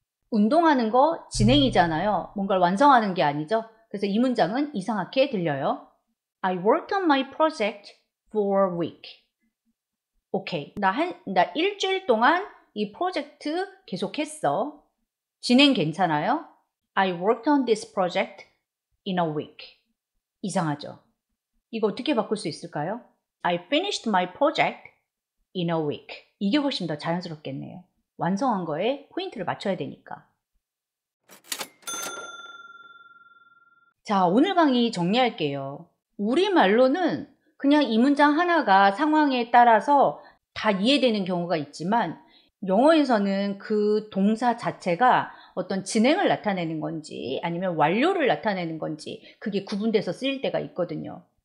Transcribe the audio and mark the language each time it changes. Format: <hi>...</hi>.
<ko>운동하는 거 진행이잖아요. 뭔가를 완성하는 게 아니죠. 그래서 이 문장은 이상하게 들려요.</ko> <en>I worked on my project for a week. Okay.</en> <ko>나 일주일 동안 이 프로젝트 계속했어. 진행 괜찮아요?</ko> <en>I worked on this project in a week.</en> <ko>이상하죠. 이거 어떻게 바꿀 수 있을까요?</ko> <en>I finished my project in a week.</en> <ko>이게 훨씬 더 자연스럽겠네요. 완성한 거에 포인트를 맞춰야 되니까. 자, 오늘 강의 정리할게요. 우리말로는 그냥 이 문장 하나가 상황에 따라서 다 이해되는 경우가 있지만 영어에서는 그 동사 자체가 어떤 진행을 나타내는 건지 아니면 완료를 나타내는 건지 그게 구분돼서 쓰일 때가 있거든요.</ko>